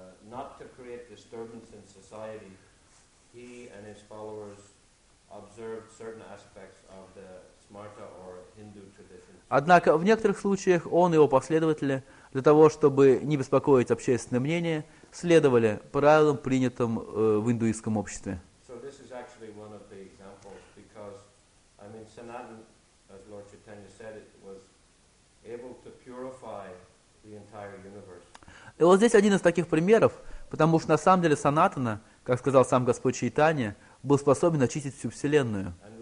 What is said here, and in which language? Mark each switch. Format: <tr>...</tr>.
<en>not to create disturbance in society, he and his followers observed certain aspects of the Smarta or Hindu traditions.</en> <ru>Однако в некоторых случаях он и его последователи для того, чтобы не беспокоить общественное мнение, следовали правилам, принятым в индуистском обществе.</ru> <en>So this is actually one of the examples because, I mean, Sanatan, as Lord Chaitanya said, it was able to purify the entire universe.</en> <ru>И вот здесь один из таких примеров, потому что на самом деле Санатана, как сказал сам Господь Чайтанья, был способен очистить всю Вселенную.</ru>